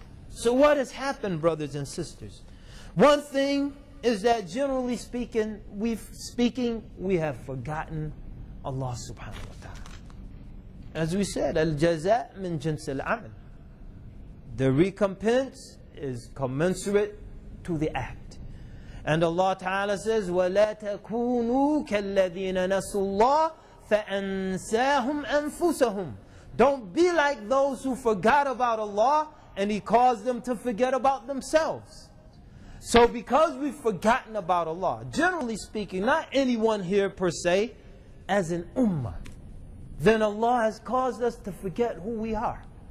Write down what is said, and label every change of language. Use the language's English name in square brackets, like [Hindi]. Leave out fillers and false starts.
[English] So what has happened, brothers and sisters? One thing is that generally speaking, we have forgotten Allah subhanahu wa ta'ala. As we said, [Arabic] al-jaza' min jins al-amal. [English] The recompense is commensurate to the act. And Allah Ta'ala says, [Arabic] وَلَا تَكُونُوا كَالَّذِينَ نَسُوا اللَّهِ فَأَنْسَاهُمْ أَنفُسَهُمْ. [English] Don't be like those who forgot about Allah and He caused them to forget about themselves. So because we've forgotten about Allah, generally speaking, not anyone here per se, as an ummah, then Allah has caused us to forget who we are.